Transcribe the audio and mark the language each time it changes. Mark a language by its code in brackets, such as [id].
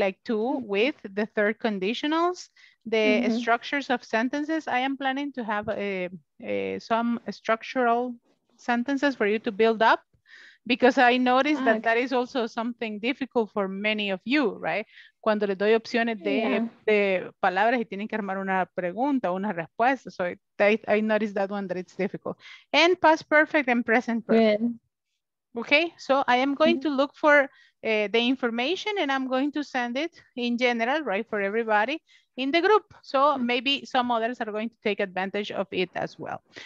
[en] Like two with the third conditionals, the structures of sentences. I am planning to have some structural sentences for you to build up, because I noticed that is also something difficult for many of you, right? [es] Cuando les doy opciones de palabras y tienen que armar una pregunta, una respuesta. [en] So I noticed that one, that it's difficult. And past perfect and present perfect. Yeah. Okay, so I am going to look for the information and I'm going to send it in general, right, for everybody in the group. So maybe some others are going to take advantage of it as well.